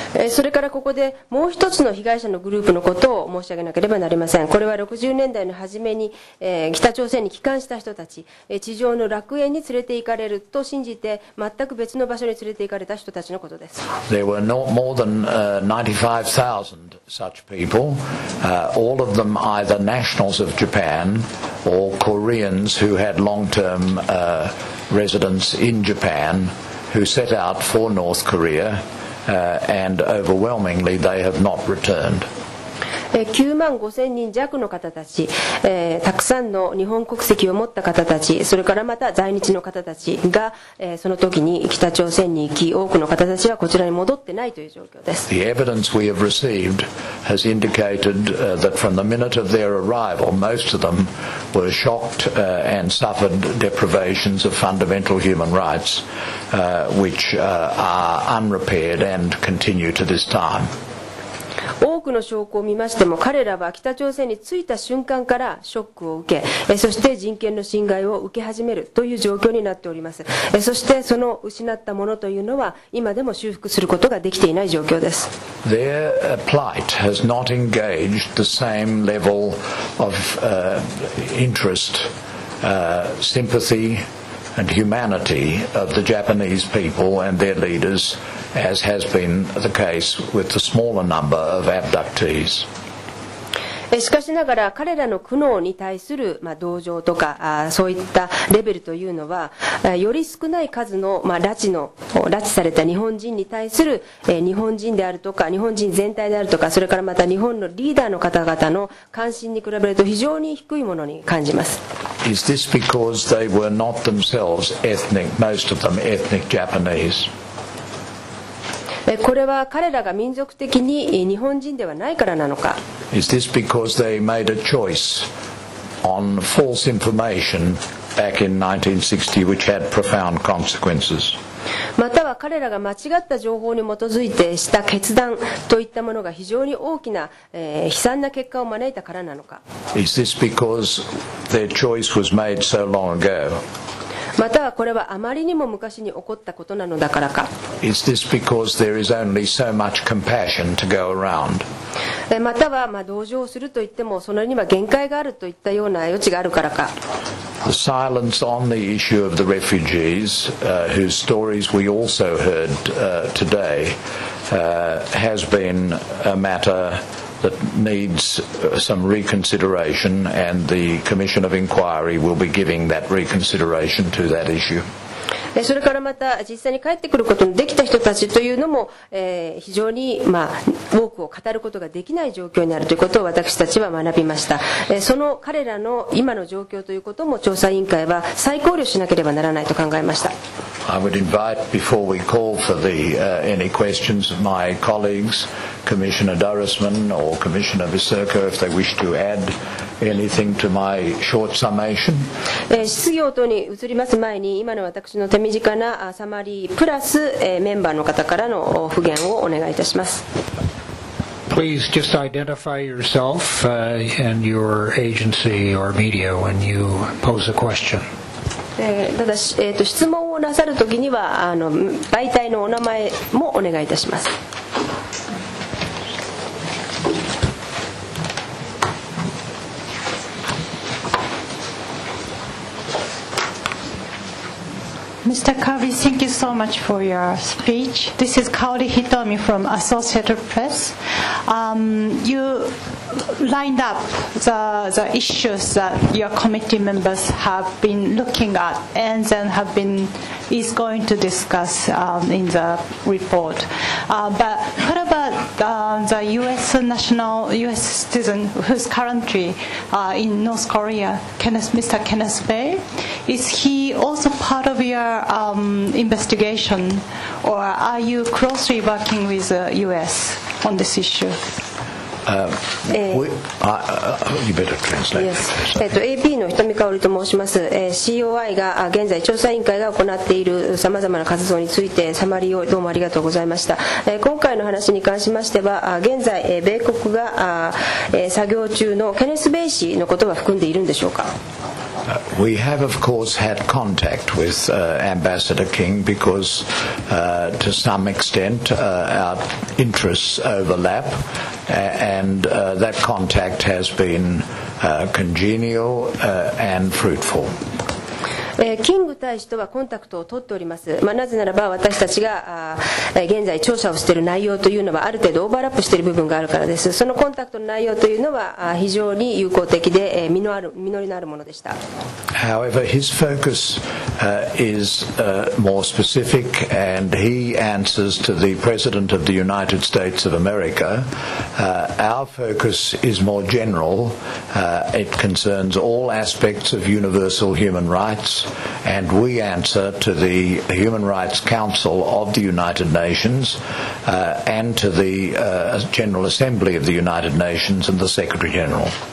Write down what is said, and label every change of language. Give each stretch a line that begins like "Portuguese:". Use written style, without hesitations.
Japanese: それからここでもう一つの被害者のグループのことを申し上げなければなりません。これは60年代の初めに、北朝鮮に帰還した人たち、地上の楽園に連れて行かれると信じて全く別の場所に連れて行かれた人たちのことです。
English: There were no more than 95,000 such people, all of them either nationals of Japan or Koreans who had long-term residence in Japan who set out for North Koreaand overwhelmingly they have not returned.
Japanese: 95,000人弱の方たち、たくさんの日本国籍を持った方たち、それからまた在日の方たちが、その時に北朝鮮に行き、多くの方たちはこちらに戻ってないという状況です。
English: The evidence we have received has indicated that from the minute of their arrival, most of them were shocked and suffered deprivations of fundamental human rights. Which are unrepaired and continue to this time.
Japanese: 多くの証拠を見ましても、彼らは北朝鮮に着いた瞬間からショックを受け、そして人権の侵害を受け始めるという状況になっております。そしてその失ったものというのは、今でも修復することができていない状況です。
English: Their plight has not engaged the same level of interest, sympathy,and humanity of the Japanese people and their leaders, as has been the case with the smaller number of abductees.
Japanese: しかしながら彼らの苦悩に対する同情とかそういったレベルというのはより少ない数の拉致された日本人に対する日本人であるとか日本人全体であるとかそれからまた日本のリーダーの方々の関心に比べると非常に低いものに感じます。
English: is this because they were not themselves ethnic, most of them ethnic Japanese?
Japanese: これは彼らが民族的に日本人ではないからなのか。
English: Is this because they made a choice on false information back in 1960, which had profound consequences?
Japanese: または彼らが間違った情報に基づいてした決断といったものが非常に大きな、悲惨な結果を招いたからなのか。
English: Is this because their choice was made so long ago?
Japanese: またはこれはあまりにも昔に起こったことなのだからか。
English: Is this because there is only so much compassion to go around?
Japanese: またはまあ同情をするといってもそれには限界があるといったような余地があるからか。
English: The silence on the issue of the refugees, whose stories we also heard today, has been a matter that needs some reconsideration, and the Commission of Inquiry will be giving that reconsideration to that issue.
Japanese: それからまた実際に帰ってくることのできた人たちというのも、非常に、まあ、多くを語ることができない状況にあるということを私たちは学びました。その彼らの今の状況ということも調査委員会は再考慮しなければならないと考えました。
English: I would invite, before we call for the, any questions, my colleagues, Commissioner Durisman or Commissioner Visurka, if they wish to add anything to my short summation.
Japanese: 質疑応答に移ります前に、今の私の手短なサマリープラス、メンバーの方からの復元をお願いいたします。
English: Please just identify yourself, and your agency or media when you pose a question.
Japanese: ただ、質問をなさるときには媒体のお名前もお願いいたします。
English: Mr. Kawi, thank you so much for your speech. This is Kaori Hitomi from Associated Press. You lined up the issues that your committee members have been looking at and then have been, is going to discuss in the report. But what about the U.S. national, U.S. citizen who's currently in North Korea, Mr. Kenneth Bay? Is he also part of yourinvestigation, or are you closely working with the U.S. on this issue? You better translate. Yes.
Japanese: AP の人見香織と申します。COI が現在調査委員会が行っているさまざまな活動についてサマリーをどうもありがとうございました。今回の話に関しましては、現在米国が作業中のケネス・ベイ氏のことは含んでいるんでしょうか。
English: We have, of course, had contact with Ambassador King because, to some extent, our interests overlap, and that contact has been congenial and fruitful.
Japanese: キング大使とはコンタクトを取っております、まあ、なぜならば私たちが現在調査をしている内容というのはある程度オーバーラップしている部分があるからです。そのコンタクトの内容というのは非常に有効的で実りのあるものでした。
English: However, his focus is more specific, and he answers to the President of the United States of America. Our focus is more general. It concerns all aspects of universal human rightsAnd we answer to the Human Rights Council of the United Nations, and to the, General Assembly of the United Nations and the Secretary General.